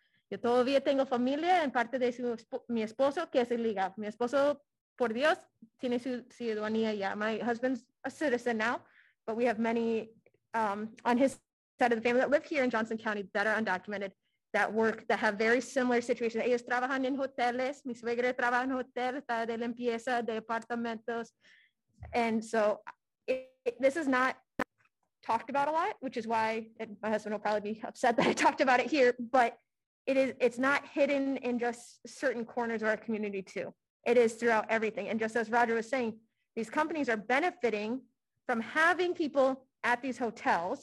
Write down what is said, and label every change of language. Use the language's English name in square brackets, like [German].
[Spanish] Yo todavía tengo familia en parte de mi esposo que es ilegal. Mi esposo, por Dios, tiene su ciudadanía. [English] Yeah, my husband's a citizen now, but we have many on his side of the family that live here in Johnson County that are undocumented, that work, that have very similar situations. [Spanish] Ellos trabajan en hoteles. Mi suegra trabaja en hotel, está de limpieza de apartamentos. [English] And so this is not talked about a lot, which is why my husband will probably be upset that I talked about it here, but it's not hidden in just certain corners of our community too. It is throughout everything. And just as Roger was saying, these companies are benefiting from having people at these hotels.